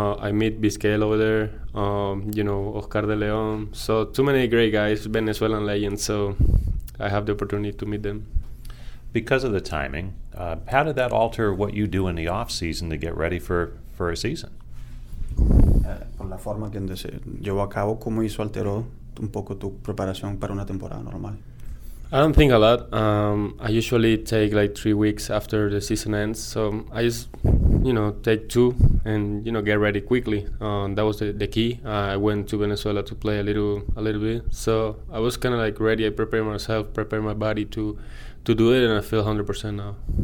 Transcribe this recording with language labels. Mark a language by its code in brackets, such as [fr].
[en] I meet Vizquel over there, you know, Oscar de León. So too many great guys, Venezuelan legends. So I have the opportunity to meet them. Because of the timing, how did that alter what you do in the off season to get ready for a season? [es] Por la forma que se llevó a cabo, cómo hizo alteró un poco tu preparación para una temporada normal. [en] I don't think a lot. I usually take like 3 weeks after the season ends. So I just, you know, take two and, you know, get ready quickly. That was the key. I went to Venezuela to play a little bit. So I was kind of like ready. I prepared myself, prepared my body to do it, and I feel 100% now.